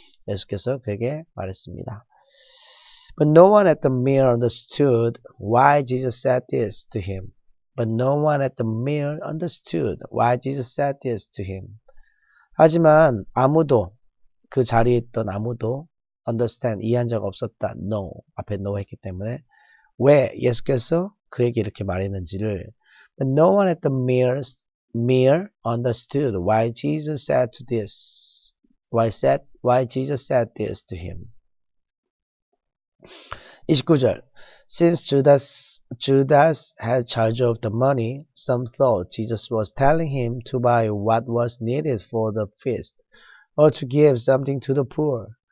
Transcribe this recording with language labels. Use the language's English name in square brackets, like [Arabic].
[Korean] 예수께서 그에게 말했습니다. [English] But no one at the meal understood why Jesus said this to him. But no one at the meal understood why Jesus said this to him. [Korean] 하지만 아무도, 그 자리에 있던 아무도 understand, 이해한 적 없었다. No. 앞에 no 했기 때문에. 왜 예수께서 그에게 이렇게 말했는지를. [English] But no one at the meal understood why Jesus said to this, why Jesus said this to him. [Korean] 29절. [English] Since Judas had charge of the money, some thought Jesus was telling him to buy what was needed for the feast or to give something to the poor.